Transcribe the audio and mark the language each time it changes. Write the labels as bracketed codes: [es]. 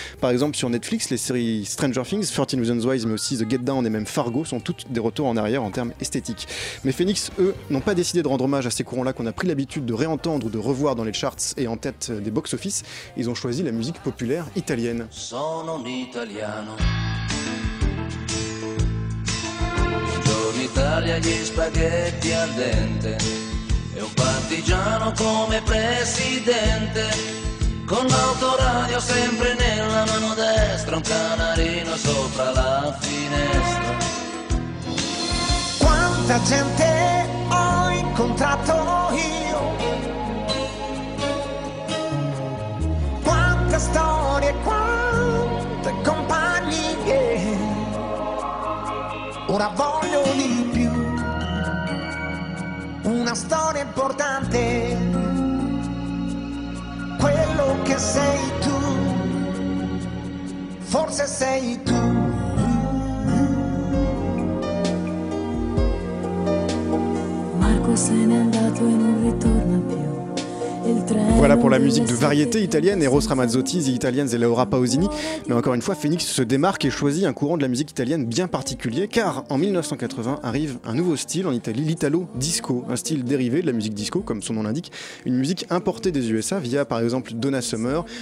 [fr] Par exemple, sur Netflix, les séries Stranger Things, 13 Reasons Why, mais aussi The Get Down et même Fargo sont toutes des retours en arrière en termes esthétiques. Mais Phoenix, eux, n'ont pas décidé de rendre hommage à ces courants-là qu'on a pris l'habitude de réentendre ou de revoir dans les charts et en tête des box-office. Ils ont choisi la musique populaire italienne. [it] Sono un italiano. Buongiorno Italia, gli spaghetti al dente. E un partigiano come presidente, con l'autoradio sempre nella mano destra, un canarino sopra la finestra. Quanta gente ho incontrato io, quante storie, quante compagnie, ora voglio di più. Una storia importante, quello che sei tu, forse sei tu. Marco se n'è andato e non ritorna più. [fr] Voilà pour la musique de variété italienne, Eros Ramazzotti, The Italians et Laura Pausini. Mais encore une fois, Phoenix se démarque et choisit un courant de la musique italienne bien particulier, car en 1980 arrive un nouveau style en Italie, l'Italo Disco, un style dérivé de la musique disco, comme son nom l'indique, une musique importée des USA via par exemple Donna Summer.